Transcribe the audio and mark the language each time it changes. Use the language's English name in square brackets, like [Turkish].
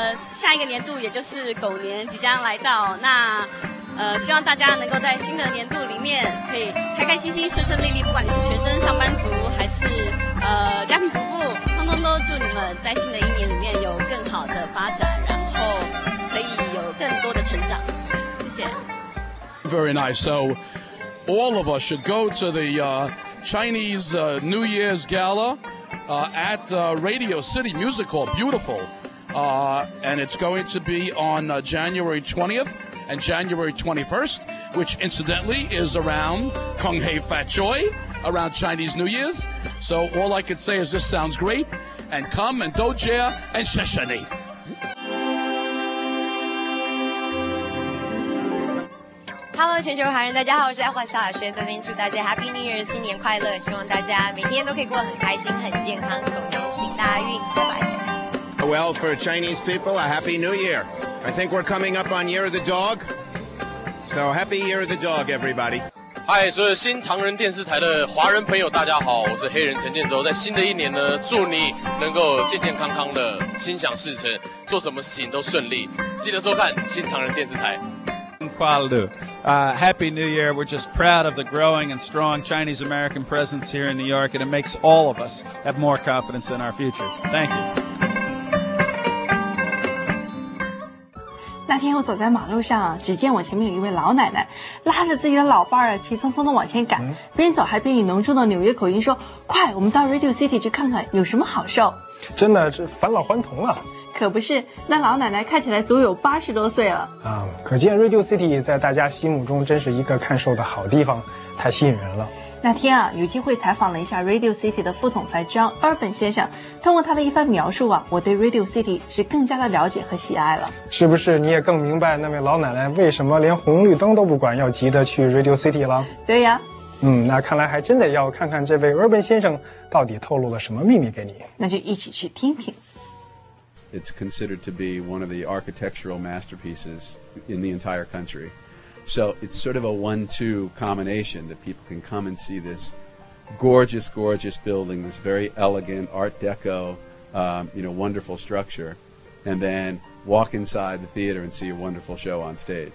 [Chinese] 下一个年度也就是狗年即将来到，那希望大家能够在新的年度里面可以开开心心、顺顺利利，不管你是学生、上班族还是家庭主妇，通通都祝你们在新的一年里面有更好的发展，然后可以有更多的成长。谢谢。 [English] Very nice. So all of us should go to the Chinese New Year's Gala at Radio City Music Hall. Beautiful. And it's going to be on January 20th. And January 21st, which incidentally is around Kung Hei Fat Choi, around Chinese New Year's. So all I can say is this sounds great. And come and do jia and xie xie ni. [Chinese] Hello, 全球华人，大家好，我是爱华沙老师，在这边祝大家 [English] Happy New Year, [Chinese] 新年快乐，希望大家每天都可以过很开心、很健康，狗年行大运，拜拜。 [English] Well, for Chinese people, a Happy New Year. I think we're coming up on Year of the Dog. So happy Year of the Dog, everybody. [Chinese] Hi, 所有新唐人电视台的华人朋友大家好，我是黑人陈建州，在新的一年呢，祝你能够健健康康的，心想事成，做什么事情都顺利。记得收看新唐人电视台。 [English] Happy New Year. We're just proud of the growing and strong Chinese-American presence here in New York, and it makes all of us have more confidence in our future. Thank you. [Chinese] 那天我走在马路上，只见我前面有一位老奶奶拉着自己的老伴儿急匆匆地往前赶，边走还边以浓重的纽约口音说，快，我们到 Radio City 去看看有什么好show。真的是返老还童啊。可不是，那老奶奶看起来足有80多岁了啊。可见 Radio City 在大家心目中真是一个看show的好地方，太吸引人了。那天啊，有机会采访了一下 Radio City 的副总裁 John Urban 先生，通过他的一番描述啊，我对 Radio City 是更加的了解和喜爱了。是不是你也更明白那位老奶奶为什么连红绿灯都不管，要急得去 Radio City 了？对呀。那看来还真得要看看这位 Urban 先生到底透露了什么秘密给你。那就一起去听听。 [English] It's considered to be one of the architectural masterpieces in the entire country. So it's sort of a 1-2 combination that people can come and see this gorgeous, gorgeous building, this very elegant Art Deco, wonderful structure, and then walk inside the theater and see a wonderful show on stage.